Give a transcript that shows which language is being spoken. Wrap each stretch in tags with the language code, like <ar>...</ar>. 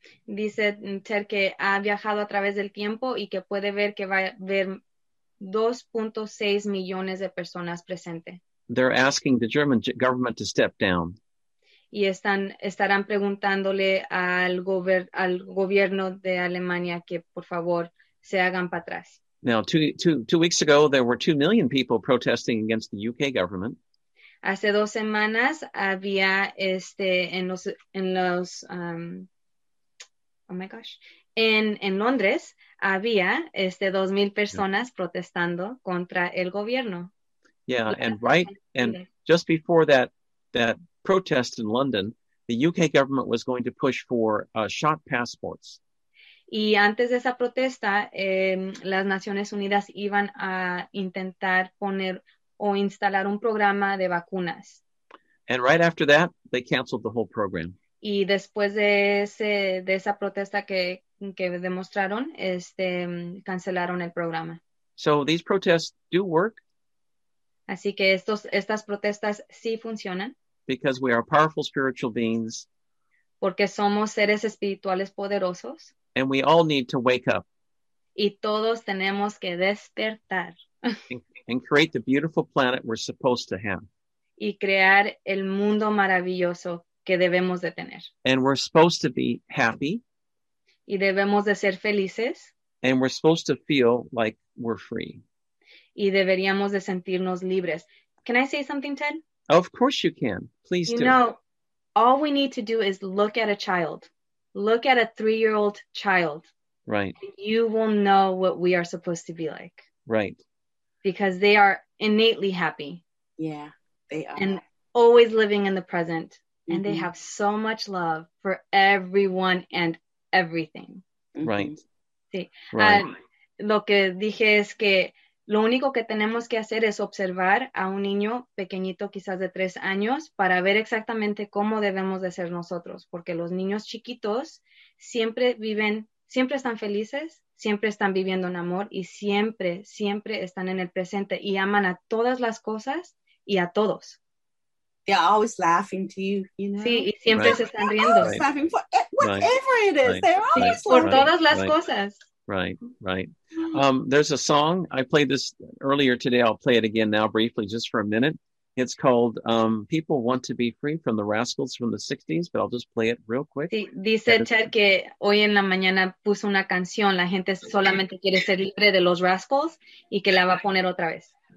<es>Dice Ter que ha viajado a través del tiempo y que puede ver que va a ver 2.6 millones de personas presente.</es> <en>They're asking the German government to step down.</en> <es>Y estarán preguntándole al gobierno de Alemania que por favor se hagan para atrás.</es> <en>Now, two weeks ago, there were 2 million people protesting against the UK government.</en> <es>Hace dos semanas había en Londres había 2,000 personas protestando contra el gobierno.</es> <en>Yeah, and just before that protest in London, the UK government was going to push for shot passports.</en> <es>Y antes de esa protesta, las Naciones Unidas iban a intentar poner o instalar un programa de vacunas.</es> <en>And right after that, they canceled the whole program.</en> <es>Y después de esa protesta que demostraron, cancelaron el programa.</es> <en>So these protests do work.</en> <es>Así que estas protestas sí funcionan.</es> <en>Because we are powerful spiritual beings.</en> <es>Porque somos seres espirituales poderosos.</es> <en>And we all need to wake up.</en> <es>Y todos tenemos que despertar.</es> <en>And create the beautiful planet we're supposed to have.</en> <es>Y crear el mundo maravilloso que debemos de tener.</es> <en>And we're supposed to be happy.</en> <es>Y debemos de ser felices.</es> <en>And we're supposed to feel like we're free.</en> <es>Y deberíamos de sentirnos libres.</es> <en>Can I say something, Ted? Of course you can. Please you do. You know, all we need to do is look at a child. Look at a 3-year-old child. Right. You will know what we are supposed to be like. Right. Because they are innately happy. Yeah, they are. And always living in the present. Mm-hmm. And they have so much love for everyone and everything. Right.</en> <es>Sí.</es> <en>Right.</en> <es>Lo que dije es que lo único que tenemos que hacer es observar a un niño pequeñito, quizás de 3 años, para ver exactamente cómo debemos de ser nosotros. Porque los niños chiquitos siempre viven, siempre están felices, siempre están viviendo en amor y siempre, siempre están en el presente y aman a todas las cosas y a todos.</es> <en>They're always laughing to you, you know?</en> <es>Sí, y siempre</es> <en>right.</en> <es>se están riendo.</es> <en>They're always laughing for whatever right. it is. Right. They're always right. laughing.</en> <es>Por todas las</es> <en>right.</en> <es>cosas.</es> <en>Right, right. There's a song. I played this earlier today. I'll play it again now briefly just for a minute. It's called People Want to Be Free from the Rascals from the 60s, but I'll just play it real quick.</en> <es>Sí, dice Ted que hoy en la mañana puso una canción, la gente solamente quiere ser libre de los Rascals, y que la va a poner otra vez.</es>